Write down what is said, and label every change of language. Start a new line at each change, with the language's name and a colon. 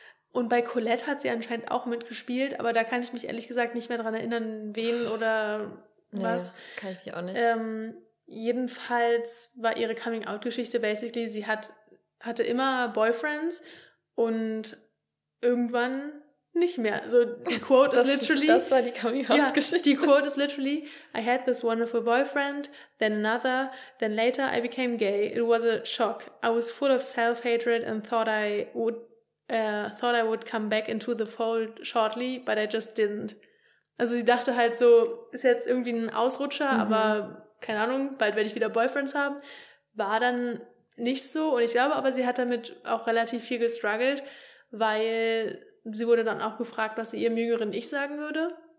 German: Und bei Colette hat sie anscheinend auch mitgespielt, aber da kann ich mich ehrlich gesagt nicht mehr dran erinnern, wen oder was. Nee, kann ich mich auch nicht. Jedenfalls war ihre Coming-out-Geschichte basically, sie hatte immer Boyfriends und irgendwann nicht mehr. So, die Quote ist literally. Das war die Coming-out-Geschichte. Ja, die Quote ist literally:
English: I had this wonderful boyfriend, then another, then later I became gay. It was a shock. I was full of self-hatred and thought I would come back into the fold shortly, but I just didn't.
German: Also, sie dachte halt so, ist jetzt irgendwie ein Ausrutscher, aber keine Ahnung, bald werde ich wieder Boyfriends haben. War dann nicht so. Und ich glaube aber, sie hat damit auch relativ viel gestruggelt, weil sie wurde dann auch gefragt, was sie ihrem jüngeren Ich sagen würde.